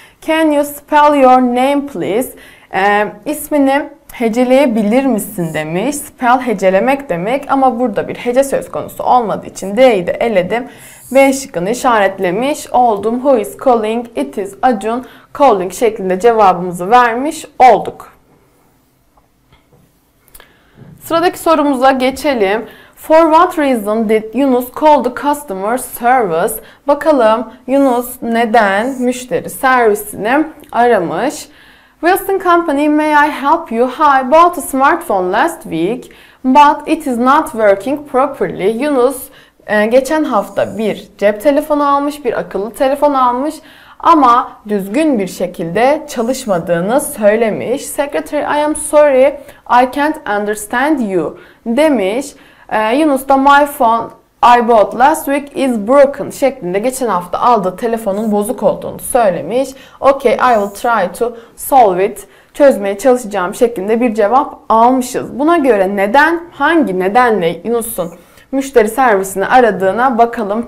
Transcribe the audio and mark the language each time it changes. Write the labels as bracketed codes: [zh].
[en] Can you spell your name please? [tr] İsmini heceleyebilir misin demiş. Spell hecelemek demek ama burada bir hece söz konusu olmadığı için D'yi de eledim. B şıkkını işaretlemiş oldum. [en] Who is calling? It is Acun calling [tr] şeklinde cevabımızı vermiş olduk. Sıradaki sorumuza geçelim. [en] For what reason did Yunus call the customer service? [tr] Bakalım Yunus neden müşteri servisini aramış? [en] Wilson Company, may I help you? Hi, bought a smartphone last week, but it is not working properly. [tr] Yunus, geçen hafta bir cep telefonu almış, bir akıllı telefon almış ama düzgün bir şekilde çalışmadığını söylemiş. [en] Secretary, I am sorry, I can't understand you [tr] demiş. Yunus da [en] my phone I bought last week is broken [tr] şeklinde geçen hafta aldığı telefonun bozuk olduğunu söylemiş. [en] Okay, I will try to solve it. [tr] Çözmeye çalışacağım şeklinde bir cevap almışız. Buna göre neden, hangi nedenle Yunus'un müşteri servisini aradığına bakalım.